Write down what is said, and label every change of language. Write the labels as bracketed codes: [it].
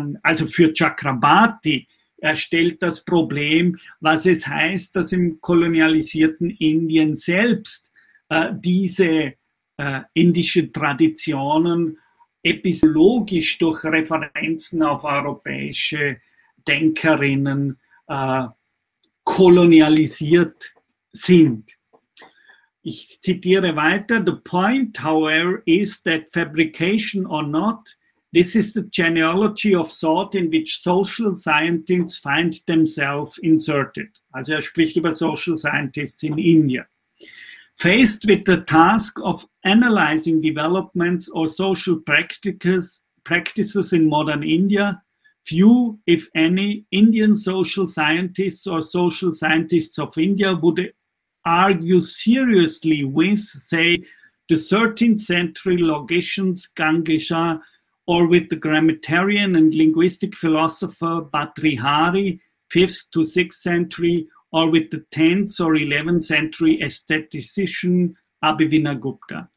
[de] also für Chakrabarti erstellt das Problem, was es heißt, dass im kolonialisierten Indien selbst diese indischen Traditionen epistemologisch durch Referenzen auf europäische Denkerinnen kolonialisiert sind. Ich zitiere weiter. [en] The point, however, is that fabrication or not, this is the genealogy of thought in which social scientists find themselves inserted. [de] Also er spricht über Social Scientists in Indien. [en] Faced with the task of analyzing developments or social practices in modern India, few, if any, Indian social scientists or social scientists of India would argue seriously with, say, the 13th century logicians Gangesha or with the grammatarian and linguistic philosopher Bhartrihari, 5th to 6th century, or with the 10th or 11th century aesthetician Abhivinagupta.